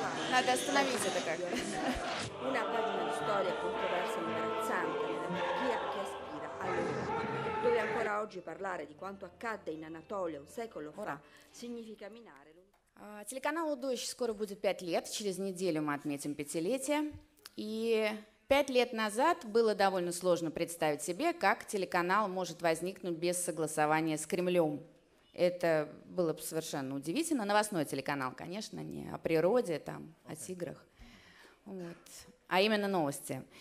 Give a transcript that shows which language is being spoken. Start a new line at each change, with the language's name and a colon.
Russian: Надо остановить это как-то.
Italian: Dove ancora oggi parlare di quanto accadde in Anatolia un secolo fa significa minare.
Russian: Телеканалу «Дождь» скоро будет 5 лет, через неделю мы отметим пятилетие. И 5 лет назад было довольно сложно представить себе, как телеканал может возникнуть без согласования с Кремлем. Это было бы совершенно удивительно. Новостной телеканал, конечно, не о природе, там, о тиграх, вот. А именно новости.